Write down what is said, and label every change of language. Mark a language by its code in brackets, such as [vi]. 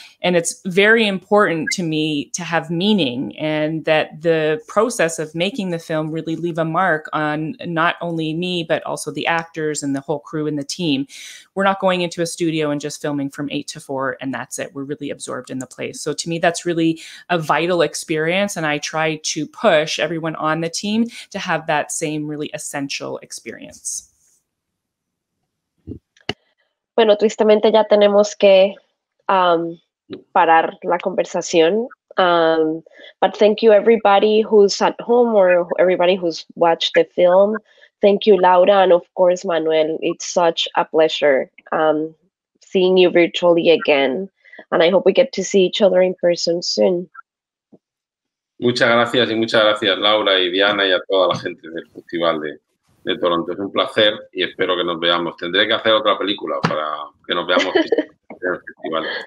[en] And it's very important to me to have meaning and that the process of making the film really leave a mark on not only me, but also the actors and the whole crew and the team. We're not going into a studio and just filming from 8 to 4 and that's it. We're really absorbed in the place. So to me, that's really a vital experience. And I try to push everyone on the team to have that same really essential experience. [es] Bueno, tristemente ya tenemos que parar la conversación. [en] But thank you everybody who's at home or everybody who's watched the film. Thank you, Laura, and of course, Manuel. It's such a pleasure seeing you virtually again. And I hope we get to see each other in person soon. [es] Muchas gracias y muchas gracias, Laura y Diana y a toda la gente del Festival de Toronto. Es un placer y espero que nos veamos. Tendré que hacer otra película para que nos veamos en el festival.